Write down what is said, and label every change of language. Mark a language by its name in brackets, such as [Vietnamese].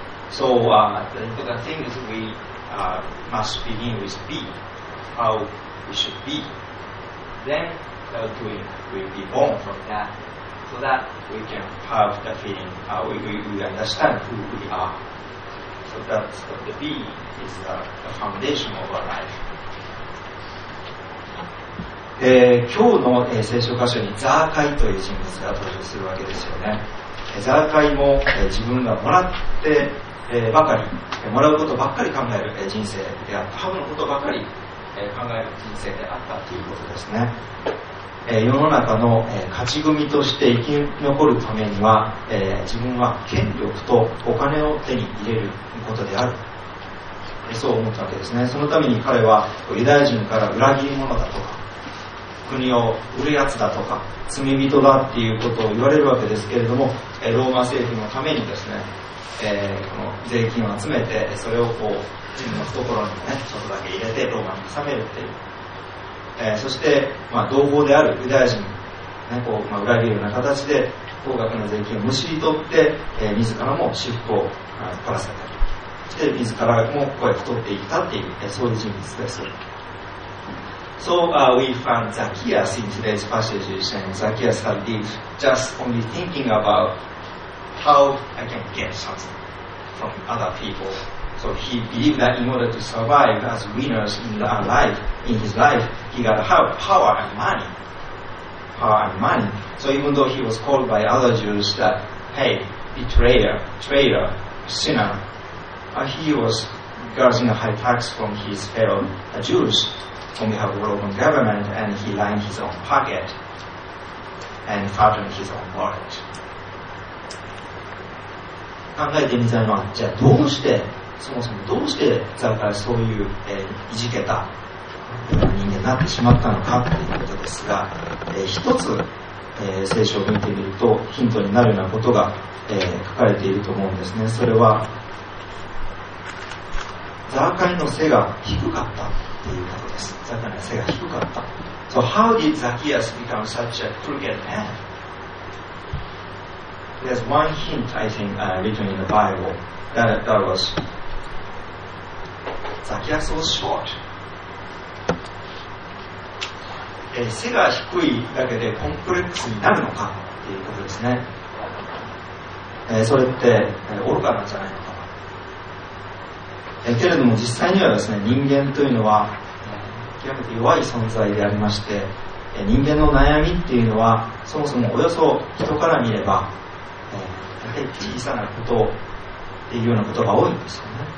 [English] So the thing is, we must begin with be, how we should be. Then we be born from that, so that we can have the feeling, we understand who we are. So that the be is the foundation of our life. [Japanese] 今日の、聖書箇所にザーカイという人物が登場するわけですよね。ザーカイも、自分がもらって、ばかり、もらうことばっかり考える、人生であった、ハブのことばかり、考える人生であったということですね。世の中の、勝ち組として生き残るためには、自分は権力とお金を手に入れることである、そう思ったわけですね。そのために彼はユダヤ人から裏切り者だとか、国を売るやつだとか、罪人だっていうことを言われるわけですけれども、ローマ政府のためにですね、この税金を集めて、それをこう自分の懐にね、ちょっとだけ入れてローマに納めるっていう、そして、まあ、同胞であるユダヤ人、ね、こう、まあ、裏切るような形で高額な税金をむしり取って、自らも私腹を凝らせたり、そして自らもこうやって取っていったっていう、そういう人物です。 [English] So we found Zacchaeus in today's passage, and Zacchaeus had lived just only thinking about how I can get something from other people. So he believed that in order to survive as winners in our life, in his life, he got to have power and money. Power and money. So even though he was called by other Jews that, hey, betrayer, traitor, sinner, he was getting a high tax from his fellow Jews. When we have a Roman government, and he lined his own pocket and fattened his own wallet. [Japanese] 考えてみたいのは、じゃあどうして、そもそもどうしてザーカイそういう、いじけた人間になってしまったのかということですが、一つ、聖書を見てみるとヒントになるようなことが、書かれていると思うんですね。それはザーカイの背が低かったということです。ザカリアの背が低かった。 [English] So how did Zacchaeus become such a crooked man? There's one hint I think written in the Bible that was Zacchaeus was short. [Japanese] 背が低いだけでコンプレックスになるのかということですね。それって愚かなんじゃないのか。けれども実際にはですね、人間というのは極めて弱い存在でありまして、人間の悩みっていうのはそもそもおよそ人から見れば、やはり小さなことっていうようなことが多いんですよね。